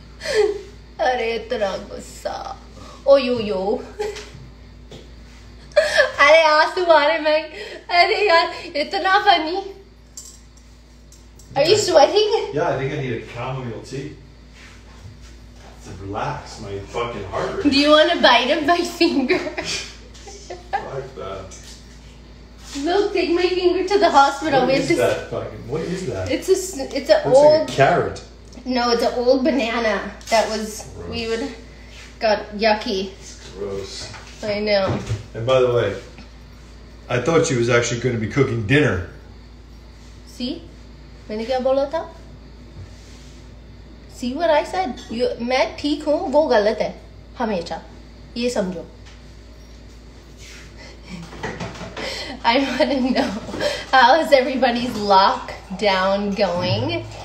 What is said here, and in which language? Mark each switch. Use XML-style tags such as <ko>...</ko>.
<hi>अरे इतना गुस्सा.</hi> <en>Oh, yo.</en> <hi>अरे आँसू आ रहे हैं. अरे यार, इतना funny.</hi> <en>Are you sweating? Yeah, I think I need a chamomile tea. To relax my fucking heart rate. Do you want a bite of my finger? I like that. Look, take my finger to the hospital. What is that? It's an old carrot. No, it's an old banana that was, gross. We would, got yucky. It's gross. I know. And by the way, I thought she was actually going to be cooking dinner. See?</en> <hi>मैंने क्या बोला था?</hi> <en>See what I said?</en> <hi>मैं ठीक हूँ, वो गलत है. हमेशा. ये समझो.</hi> <en>I want to know, how is everybody's lockdown going?</en>